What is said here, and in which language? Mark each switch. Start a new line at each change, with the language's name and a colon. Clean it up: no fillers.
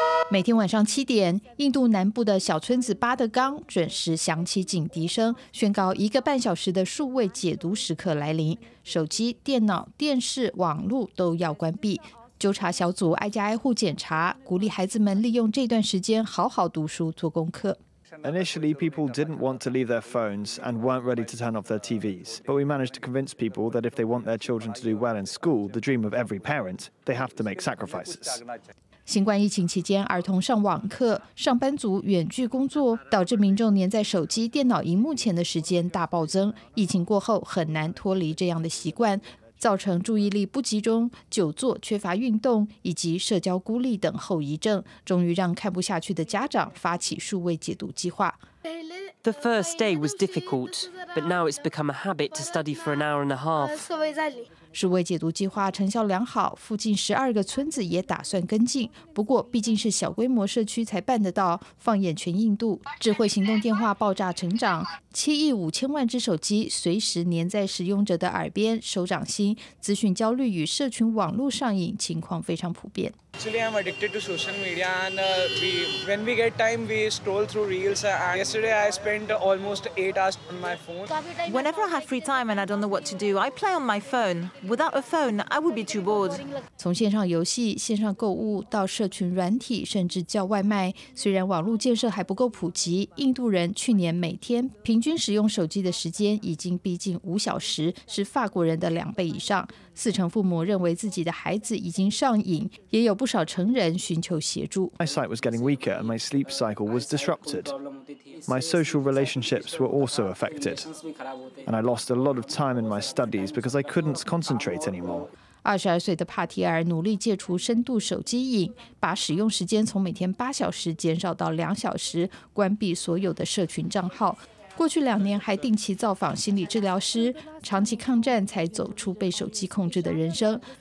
Chinese: 每天晚上7点，印度南部的小村子巴德冈准时响起警笛声，宣告1个半小时的数位解读时刻来临。手机、电脑、电视、网络都要关闭。纠察小组挨家挨户检查，鼓励孩子们利用这段时间好好读书、做功课。
English: Initially, people didn't want to leave their phones and weren't ready to turn off their TVs. But we managed to convince people that if they want their children to do well in school, the dream of every parent, they have to make sacrifices.
Chinese: 新冠疫情期间，儿童上网课、上班族远距工作，导致民众黏在手机、电脑荧幕前的时间大暴增。疫情过后，很难脱离这样的习惯，造成注意力不集中、久坐、缺乏运动以及社交孤立等后遗症，终于让看不下去的家长发起数位解读计划。
English: The first day was difficult, but now it's become a habit to study for an hour and a half.
Chinese: 数位解读计划成效良好，附近12个村子也打算跟进。不过，毕竟是小规模社区才办得到。放眼全印度，智慧行动电话爆炸成长，7亿5000万只手机随时粘在使用者的耳边、手掌心，资讯焦虑与社群网络上瘾情况非常普遍。
English: Actually, I'm addicted to social media, and when we get time, we scroll through reels. And yesterday, I spent almost 8 hours on my phone. Whenever I have free time and I don't know what to do, I play on my phone. Without a phone, I would be too bored.
Chinese: 从线上游戏、线上购物到社群软体，甚至叫外卖，虽然网络建设还不够普及，印度人去年每天平均使用手机的时间已经逼近5小时，是法国人的2倍以上。 40%父母认为自己的孩子已经上瘾，也有不少成人寻求协助。
English: My sight was getting weaker and my sleep cycle was disrupted. My social relationships were also affected. And I lost a lot of time in my studies because I couldn't concentrate anymore.
Chinese: 22岁的帕提尔努力戒除深度手机瘾，把使用时间从每天8小时减少到2小时，关闭所有的社群账号。过去2年还定期造访心理治疗师，长期抗战才走出被手机控制的人生。